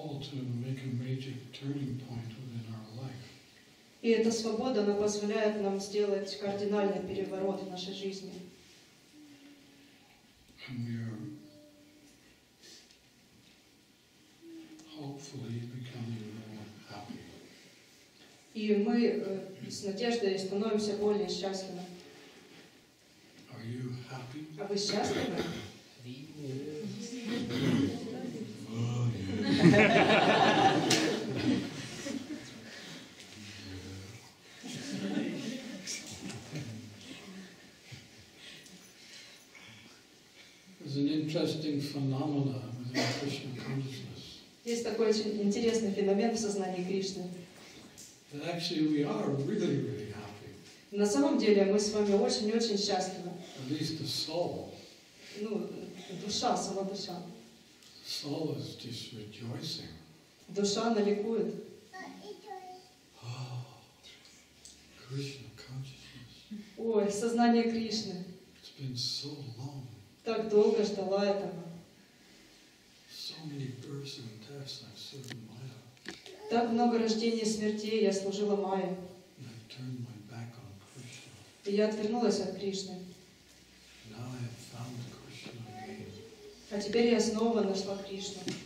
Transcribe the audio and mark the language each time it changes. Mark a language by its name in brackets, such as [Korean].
[English] to make a major turning point within our life. [Russian] И эта свобода, она позволяет нам сделать кардинальный переворот в нашей жизни. [English] And we are hopefully becoming more happy. [Russian] И мы с надеждой становимся более счастливыми. [English] Are you happy? [Russian] А вы счастливы? [English] Oh, yeah. There's an interesting phenomena within Krishna consciousness. [Russian] Есть такой очень интересный феномен в сознании Кришны. [English] That actually we are really, really happy. [Russian] На самом деле мы с вами очень, очень счастливы. [English] At least the soul. [Russian] Ну, душа, сама душа. [English] Soul is just rejoicing. [Russian] Душа наликует. [English] Oh, Krishna consciousness. [Russian] Ой, сознание Кришны. [English] It's been so long. [Russian] Так долго ждала этого. [English] So many births and deaths I served Maya. [Russian] Так много рождений и смертей я служила Майе. [English] And I turned my back on Krishna. [Russian] И я отвернулась от Кришны. [English] Now I have found Krishna. [Russian] А теперь я снова нашла Кришну.